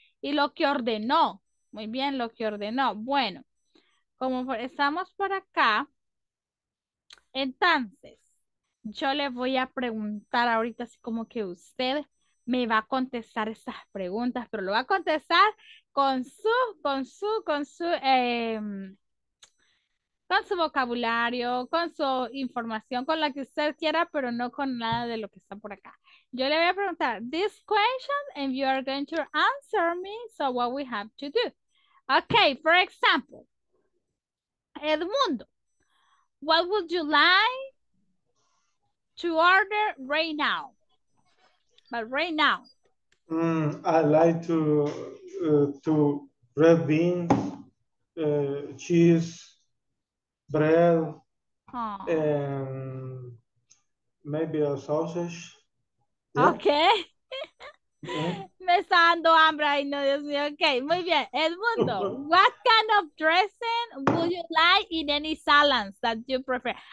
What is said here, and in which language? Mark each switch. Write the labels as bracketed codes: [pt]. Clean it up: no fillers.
[es] Y lo que ordenó, muy bien, lo que ordenó. Bueno, como estamos por acá, entonces, yo le voy a preguntar ahorita así como que usted me va a contestar esas preguntas, pero lo va a contestar con su vocabulario, con su información, con la que usted quiera, pero no con nada de lo que está por acá. Yo le voy a preguntar [en] this question and you are going to answer me, so what we have to do. Okay, for example, Edmundo, what would you like to order right now, but right now. I like to red beans, cheese, bread, and maybe a sausage. Yeah. Okay. [es] Me está dando hambre, ay no, Dios mío. Okay, muy bien. [en] Edmundo, what kind of dressing would you like in any salads that you prefer?